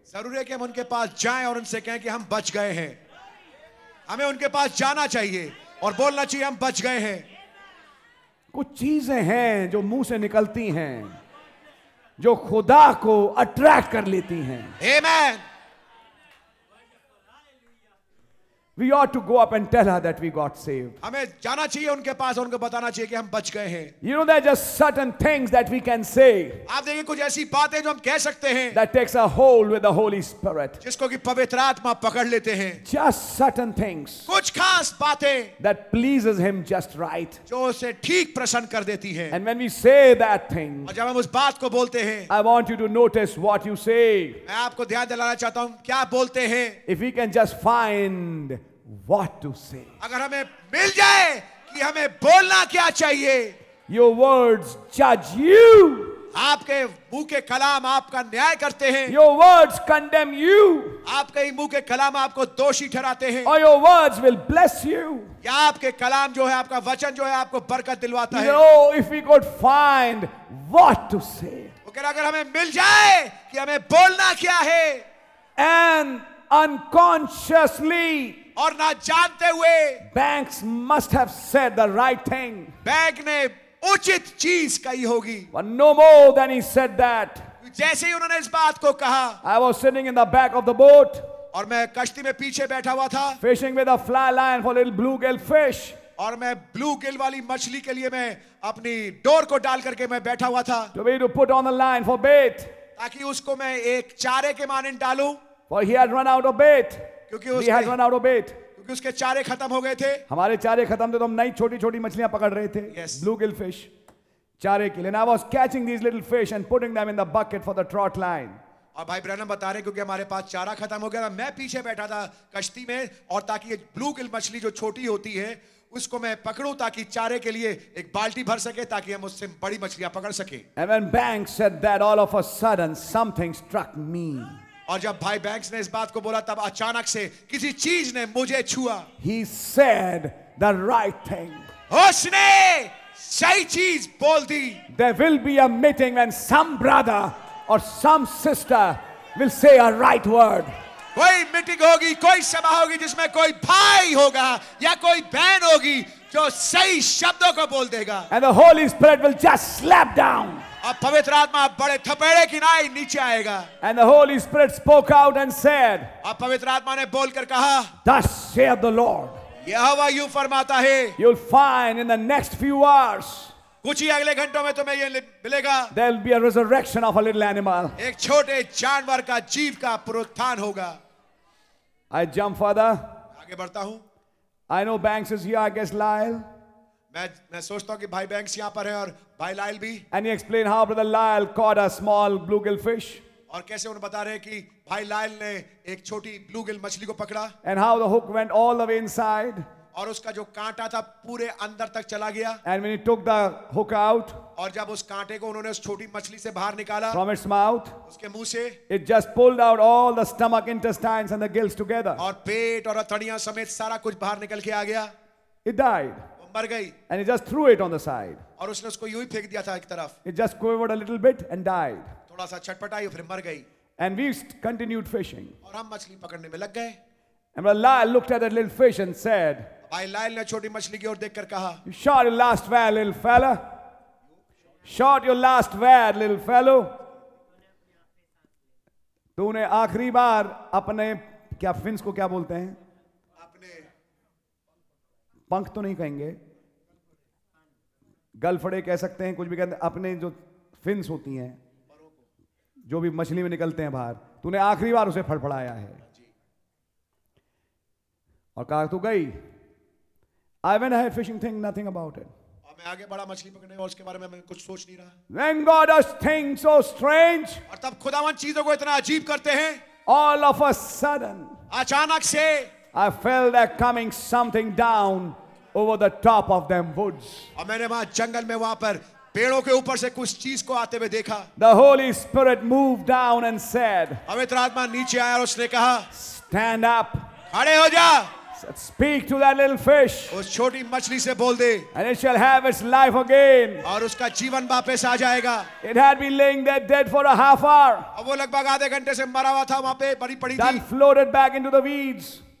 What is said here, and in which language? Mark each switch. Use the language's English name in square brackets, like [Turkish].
[Hindi] जरूरी है कि हम उनके पास जाएं और उनसे कहें कि हम बच गए हैं, हमें उनके पास जाना चाहिए और बोलना चाहिए हम बच गए हैं। कुछ चीजें हैं जो मुंह से निकलती हैं जो खुदा को अट्रैक्ट कर लेती हैं। आमेन। [English] We ought to go up and tell her that we got saved. [Hindi] हमें जाना चाहिए उनके पास और उनको बताना चाहिए कि हम बच गए हैं. [English] You know, there are just certain things that we can say. [Hindi] आप देखिए कुछ ऐसी बातें जो हम कह सकते हैं. [English] That takes a hold with the Holy Spirit. [Hindi] जिसको कि पवित्र आत्मा पकड़ लेते हैं. [English] Just certain things. [Hindi] कुछ खास बातें. [English] That pleases Him just right. [Hindi] जो उसे ठीक प्रसन्न कर देती हैं. [English] And when we say that thing. [Hindi] और जब हम उस बात को बोलते हैं. [English] I want you to notice what you say. [Hindi] मैं आपको ध्यान दिलाना चाहता हूँ क्या बोलते हैं. [English] If we can just find what to say. [Hindi] अगर हमें मिल जाए कि हमें बोलना क्या चाहिए. [English] Your words judge you. [Hindi] आपके मुंह के कलाम आपका न्याय करते हैं. [English] Your words condemn you. [Hindi] आपके मुंह के कलाम आपको दोषी ठहराते हैं. [English] Or your words will bless you. [Hindi] या आपके कलाम जो है आपका वचन जो है आपको बरकत दिलवाता है. [English] No, if we could find what to say. [Hindi] अगर अगर हमें मिल जाए कि हमें बोलना क्या है. [English] And unconsciously. [Hindi] और ना जानते हुए [English] banks must have said the right thing. [Hindi] Bank ने उचित चीज कही होगी. [English] But no more than he said that. [Hindi] जैसे ही उन्होंने इस बात को कहा. [English] I was sitting in the back of the boat. [Hindi] और मैं कश्ती में पीछे बैठा हुआ था. [English] Fishing with a fly line for little blue gill fish. [Hindi] और मैं ब्लू गिल वाली मछली के लिए मैं अपनी डोर को डाल करके मैं बैठा हुआ था. [English] To be to put on the line for bait. [Hindi] ताकि उसको मैं एक चारे के मानिंद डालूं. [English] For he had run out of bait. He had run out of bait. [Hindi] क्योंकि उसके चारे खत्म हो गए थे. हमारे चारे खत्म थे तो हम नई छोटी छोटी मछलियां पकड़ रहे थे. [English] Yes. Bluegill fish. [Hindi] चारे के लिए. [English] And I was catching these little fish and putting them in the bucket for the trot line. [Hindi] और भाई ब्रैनम बता रहे क्योंकि हमारे पास चारा खत्म हो गया था. मैं पीछे बैठा था कश्ती में और ताकि ये ब्लू गिल मछली जो छोटी होती है उसको मैं पकड़ू ताकि चारे के लिए एक बाल्टी भर सके ताकि हम उससे बड़ी मछलियां पकड़ सके. [English] And when bank said that, all of a sudden something struck me. [Hindi] और जब भाई बैंक्स ने इस बात को बोला तब अचानक से किसी चीज ने मुझे छुआ. [English] He said the right thing. [Hindi] उसने सही चीज बोल दी. [English] There will be a meeting when some brother or some sister will say a right word. [Hindi] कोई मीटिंग होगी कोई सभा होगी जिसमें कोई भाई होगा या कोई बहन होगी जो सही शब्दों को बोल देगा. [English] And the Holy Spirit will just slap down. [Hindi] अब पवित्र आत्मा बड़े थपेड़े की नाई नीचे आएगा. [English] And the Holy Spirit spoke out and said. [Hindi] अब पवित्र आत्मा ने बोलकर कहा. [English] Thus saith the Lord. [Hindi] यहोवा यूं फरमाता है. [English] You'll find in the next few hours. [Hindi] कुछ ही अगले घंटों में तुम्हें ये मिलेगा. [English] There'll be a resurrection of a little animal. [Hindi] एक छोटे जानवर का जीव का पुनरुत्थान होगा. [English] I jump further. [Hindi] आगे बढ़ता हूँ. [English] I know Banks is here. I guess Lyle. [Hindi] मैं सोचता हूँ कि भाई बैंक्स यहाँ पर है और भाई लायल भी. [English] And he explained how brother Lyle caught a small bluegill fish. [Hindi] और कैसे उन्हें बता रहे कि भाई लायल ने एक छोटी ब्लूगिल मछली को पकड़ा. [English] And how the hook went all the way inside. [Hindi] और उसका जो कांटा था पूरे अंदर तक चला गया. [English] And when he took the hook out. [Hindi] और जब उस कांटे को उन्होंने उस छोटी मछली से बाहर निकाला. [English] From its mouth. [Hindi] उसके मुंह से. [English] It just pulled out all the stomach, intestines and the gills together. [Hindi] और पेट और अथड़ियां समेत सारा कुछ बाहर निकल के आ गया. [English] It died. [Hindi] मर गई. [English] And he just threw it on the side. [Hindi] और उसने उसको यूं ही फेंक दिया था एक तरफ. [English] It just quivered a little bit and died. [Hindi] थोड़ा सा छटपटाई और फिर मर गई. [English] And we continued fishing. [Hindi] और हम मछली पकड़ने में लग गए. [English] And brother Lyle looked at that little fish and said. [Hindi] भाई लायल ने छोटी मछली की ओर देखकर कहा. [English] You shot your last whale, little fella. Shot your last whale, little fellow. [Hindi] तूने आखिरी बार अपने क्या फिंस को क्या बोलते हैं? पंख तो नहीं कहेंगे, गलफड़े कह सकते हैं, कुछ भी कहते हैं. अपने जो फिन्स होती हैं, जो भी मछली में निकलते हैं बाहर, तूने आखिरी बार उसे फड़फड़ाया है. और कहा तू गई. [English] I went had fishing thing nothing about it. [Hindi] मैं आगे बड़ा मछली पकड़ने और उसके बारे में मैं कुछ सोच नहीं रहा. [English] When God does things so strange. [Hindi] और तब खुदावन चीजों को इतना अजीब करते हैं. [English] All of a sudden. [Hindi] अचानक से. [English] I felt that coming something down over the top of them woods. [Hindi] और मैंने वहाँ जंगल में वहाँ पर पेड़ों के ऊपर से कुछ चीज़ को आते हुए देखा. [English] The Holy Spirit moved down and said. [Hindi] पवित्र आत्मा नीचे आया और उसने कहा. [English] Stand up. [Hindi] खड़े हो जा. [English] Speak to that little fish. [Hindi] उस छोटी मछली से बोल दे. [English] And it shall have its life again. [Hindi] और उसका जीवन वापस आ जाएगा. [English] It had been laying there dead for a half hour. [Hindi] अब वो लगभग आधे घंटे से मरा हुआ था वहाँ पे पड़ी पड़ी थी. [English] Then floated back into the weeds.